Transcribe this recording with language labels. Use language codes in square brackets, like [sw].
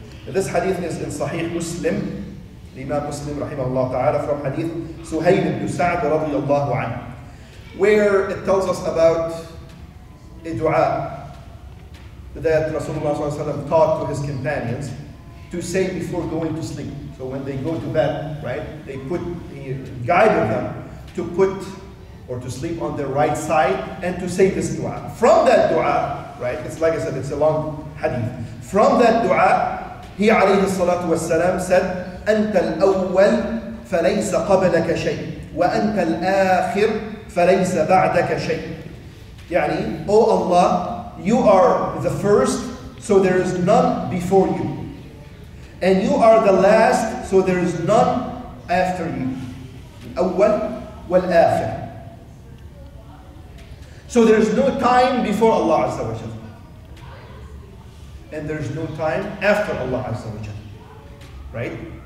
[en] This hadith is in Sahih Muslim, Imam Muslim rahimahullah ta'ala, from hadith Suhayl ibn Sa'd radiyallahu anhu, where it tells us about a dua that Rasulullah sallallahu alayhi wa taught to his companions to say before going to sleep. So when they go to bed, right, he guided them to put or to sleep on their right side and to say this dua. From that dua, right, it's like I said, it's a long hadith. From that dua, he alayhi salatu wasalam said, [ar] أنت الأول فليس قبلك شيء وأنت الآخر فليس بعدك شيء. [en] يعني, O Allah, you are the first, so there is none before you. And you are the last, so there is none after you. [ar] الأول والآخر. [en] So there is no time before Allah Azza wa Jal, and there is no time after Allah Azza wa Jal, right?